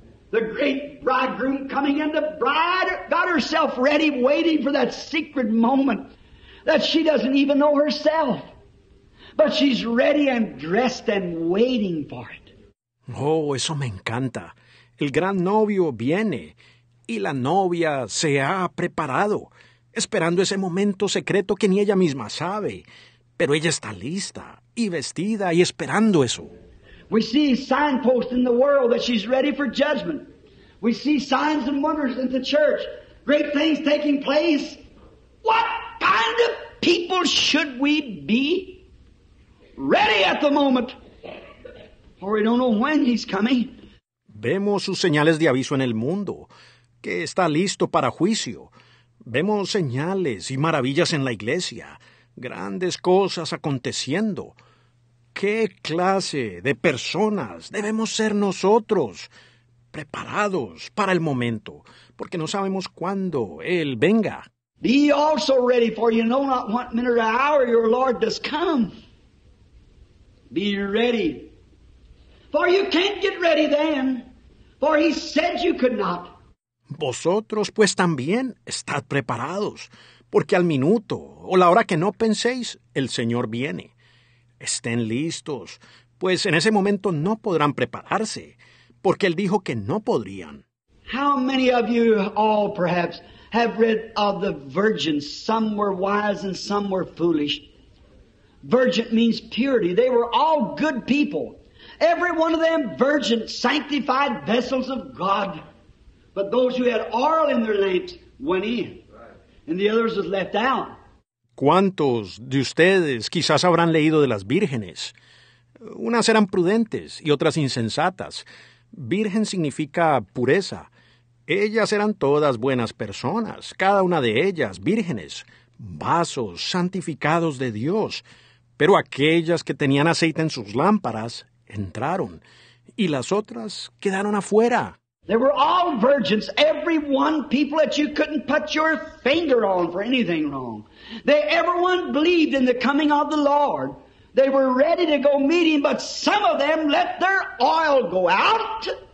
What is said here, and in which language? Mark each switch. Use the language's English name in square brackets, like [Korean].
[English] The great bridegroom coming in, the bride got herself ready, waiting for that secret moment that she doesn't even know herself. But she's ready and dressed and waiting for it. [Spanish] Oh, eso me encanta. El gran novio viene y la novia se ha preparado, esperando ese momento secreto que ni ella misma sabe. Pero ella está lista y vestida y esperando eso. [English] We see signposts in the world that she's ready for judgment. We see signs and wonders in the church. Great things taking place. What kind of people should we be? Ready at the moment. For we don't know when he's coming. [Spanish] Vemos sus señales de aviso en el mundo, que está listo para juicio. Vemos señales y maravillas en la iglesia. Grandes cosas aconteciendo. ¿Qué clase de personas debemos ser nosotros preparados para el momento? Porque no sabemos cuándo Él venga. [English] Be also ready, for you know not what minute or hour your Lord does come. Be ready, for you can't get ready then, for He said you could not. [Spanish] Vosotros pues también estad preparados, porque al minuto o la hora que no penséis, el Señor viene. Estén listos, pues en ese momento no podrán prepararse, porque Él dijo que no podrían. [English] How many of you all perhaps have read of the virgins? Some were wise and some were foolish. Virgin means purity. They were all good people. Every one of them virgin, sanctified vessels of God. But those who had oil in their lamps went in, and the others was left out. [Spanish] ¿Cuántos de ustedes quizás habrán leído de las vírgenes? Unas eran prudentes y otras insensatas. Virgen significa pureza. Ellas eran todas buenas personas, cada una de ellas vírgenes, vasos santificados de Dios. Pero aquellas que tenían aceite en sus lámparas entraron, y las otras quedaron afuera. [English] They were all virgins, every one people that you couldn't put your finger on for anything wrong. They, everyone believed in the coming of the Lord. They were ready to go meet Him, but some of them let their oil go out.